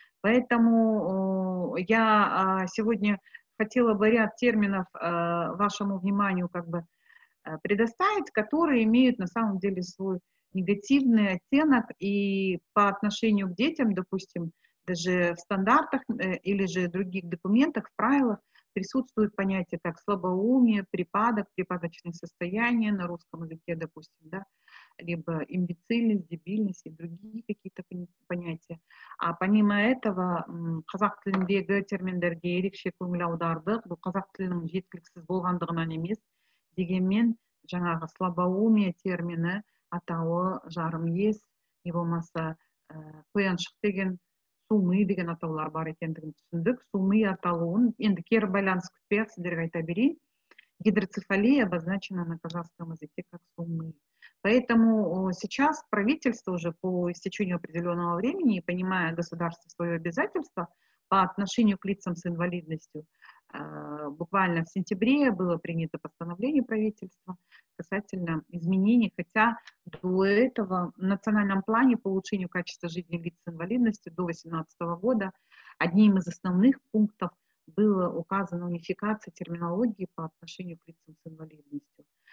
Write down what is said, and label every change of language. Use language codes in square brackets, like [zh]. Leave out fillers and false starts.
[ru] Поэтому я сегодня хотела бы ряд терминов вашему вниманию как бы предоставить, которые имеют на самом деле свой негативный оттенок и по отношению к детям, допустим, даже в стандартах или же других документах, в правилах присутствуют понятия, как слабоумие, припадок, припадочное состояние на русском языке, допустим, да, либо имбецильность, дебильность и другие какие-то понятия. [kk] А помимо этого, казах тіліндегі терминдерге ерекше көңіл аудардық, бұл қазақ тілінің жеткіліксіз болғандығынан емес, дегенмен жаңағы слабоумие термині, атауы жарым ес, не болмаса, қояншық деген, сумы деген атаулар бар екендігін түсіндік. Сумы атауын, енді кері байланыс күтпек, сіздерге айта берейін. [ru] Гидроцефалия обозначена на казахском языке как сумы. Поэтому сейчас правительство уже по истечению определенного времени, понимая государство свое обязательство по отношению к лицам с инвалидностью, буквально в сентябре было принято постановление правительства касательно изменений, хотя до этого в национальном плане по улучшению качества жизни лиц с инвалидностью до 2018 года одним из основных пунктов было указано унификация терминологии по отношению к лицам с инвалидностью.